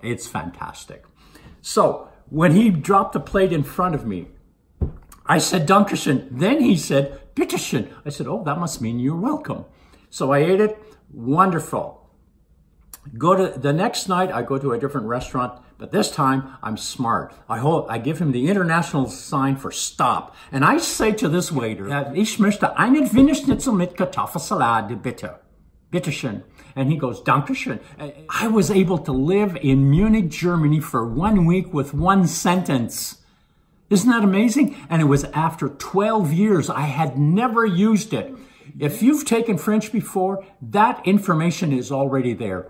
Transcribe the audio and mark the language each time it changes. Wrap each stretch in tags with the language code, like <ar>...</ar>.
<en>It's fantastic. So when he dropped the plate in front of me, I said, Dankeschön. Then he said, Bitteschön. I said, oh, that must mean you're welcome. So I ate it. Wonderful. The next night, I go to a different restaurant. But this time, I'm smart. I give him the international sign for stop. And I say to this waiter,</en> <de>ich möchte einen Wiener Schnitzel mit Kartoffelsalat, bitte.</de> <en>Bitteschön. And he goes, Dankeschön. I was able to live in Munich, Germany for 1 week with one sentence. Isn't that amazing? And it was after 12 years. I had never used it. If you've taken French before, that information is already there.</en>